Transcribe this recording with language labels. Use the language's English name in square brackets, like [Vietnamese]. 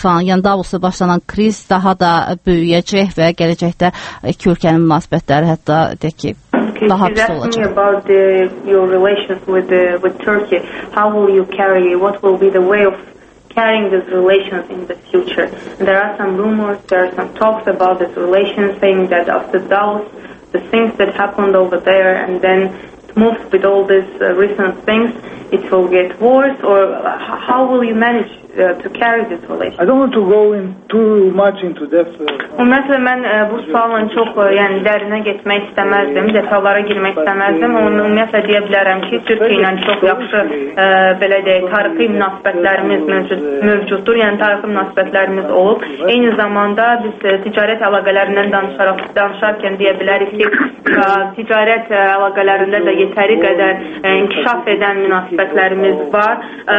[Azerbaijani] Yəni Davos'da başlanan kriz daha da böyüyəcək və gələcəkdə iki ölkənin münasibətləri hətta deyək ki, [English] She's asking about your relations with Turkey. How will you carry? What will be the way of carrying these relations in the future? There are some rumors, there are some talks about this relation, saying that after Davos, the things that happened over there, and then moved with all these recent things, it will get worse. Or how will you manage to carry this relation? I don't want to go in too much into depth. [Azerbaijani] Ümumiyyətlə, mən bu sualın çox yəni dərinə getmək istəməzdim, detallara girmək istəməzdim. Ümumiyyətlə, deyə bilərəm ki, Türkiyə ilə çox yaxşı belə deyək, tarixi münasibətlərimiz mövcuddur. Yəni, tarixi münasibətlərimiz olub. Eyni zamanda biz ticarət əlaqələrindən danışarkən deyə bilərik ki, ticarət əlaqələrində də yetəri qədər inkişaf edən münasibətlərimiz var.